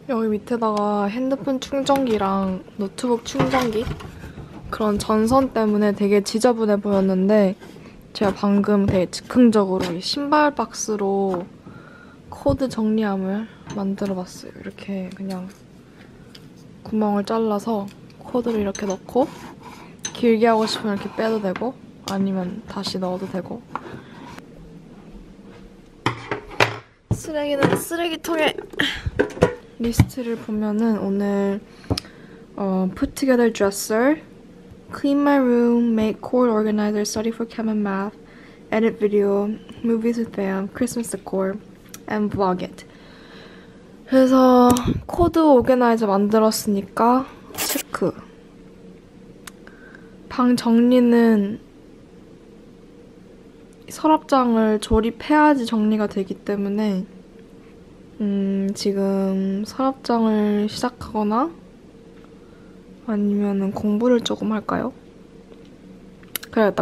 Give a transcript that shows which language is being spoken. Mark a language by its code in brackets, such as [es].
[ko] 밑에다가 핸드폰 충전기랑 노트북 충전기 그런 전선 때문에 되게 지저분해 보였는데, 제가 방금 되게 즉흥적으로 이 신발 박스로 코드 정리함을 만들어 봤어요. 이렇게 그냥 구멍을 잘라서 코드를 이렇게 넣고, 길게 하고 싶으면 이렇게 빼도 되고 아니면 다시 넣어도 되고, 쓰레기는 쓰레기통에. 리스트를 보면은 오늘 [en] put together dresser, clean my room, make cord organizer, study for chem and math, edit video, movies with fam, Christmas decor, and vlog it. [ko] 그래서 코드 오게나이저 만들었으니까 체크. 방 정리는 서랍장을 조립해야지 정리가 되기 때문에, 지금 서랍장을 시작하거나 아니면은 공부를 조금 할까요? 그래야겠다.